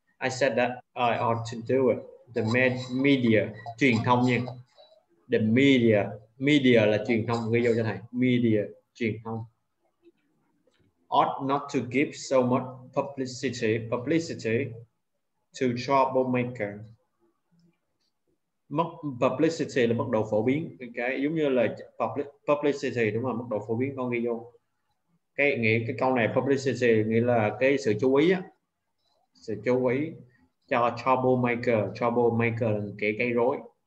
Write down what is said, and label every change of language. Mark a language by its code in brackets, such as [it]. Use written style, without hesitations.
[en] I said that I ought to do it. [vi] The media, truyền thông nha. The media, media là truyền thông, ghi vô cho thầy. Media, truyền thông. [en] Ought not to give so much publicity, publicity to troublemaker. [vi] Mức publicity là mức độ phổ biến, cái giống như là publicity đúng không, mức độ phổ biến con ghi vô. Cái nghĩa cái câu này publicity nghĩa là cái sự chú ý á, sự chú ý cho troublemaker, troublemaker là kẻ gây rối.